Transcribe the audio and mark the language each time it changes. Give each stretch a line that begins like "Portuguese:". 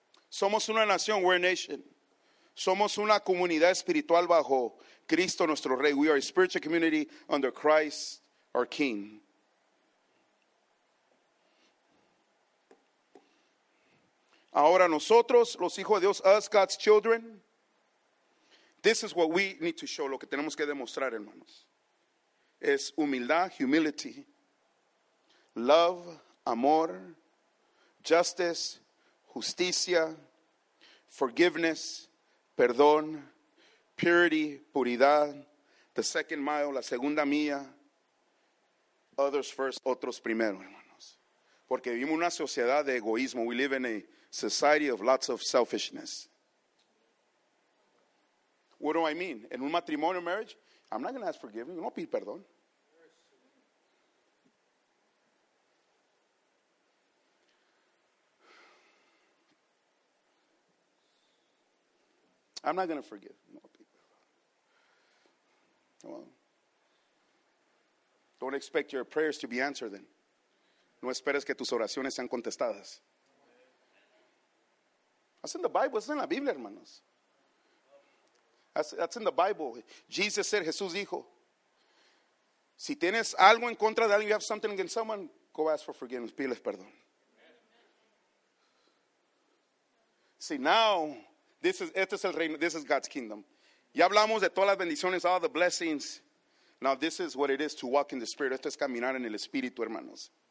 Spanish: Somos una nación,
English: we're a nation.
Spanish: Somos una comunidad espiritual bajo Cristo nuestro Rey.
English: We are a spiritual community under Christ our King.
Spanish: Ahora nosotros, los hijos de Dios,
English: us, God's children, this is what we need to show,
Spanish: lo que tenemos que demostrar, hermanos. Es humildad, humility, love, amor, justice, justicia, forgiveness, perdón, purity, puridad,
English: the second mile,
Spanish: la segunda mía,
English: others first,
Spanish: otros primero, hermanos. Porque vivimos una sociedad de egoísmo.
English: We live in a society of lots of selfishness. What do I mean?
Spanish: En un matrimonio,
English: marriage, I'm not going to ask forgiveness,
Spanish: no pido perdón.
English: I'm not going to forgive. No, people. Well, don't expect your prayers to be answered then.
Spanish: No esperes que tus oraciones sean contestadas.
English: That's in the Bible. That's in la Biblia, hermanos. That's in the Bible. Jesus said,
Spanish: Jesús dijo, si tienes algo en contra de alguien,
English: you have something against someone, go ask for forgiveness.
Spanish: Pídeles perdón.
English: See, now, this is,
Spanish: este es el reino,
English: this is God's kingdom.
Spanish: Ya hablamos de todas las bendiciones,
English: all the blessings. Now this is what it is to walk in the Spirit.
Spanish: Esto es caminar en el Espíritu, hermanos.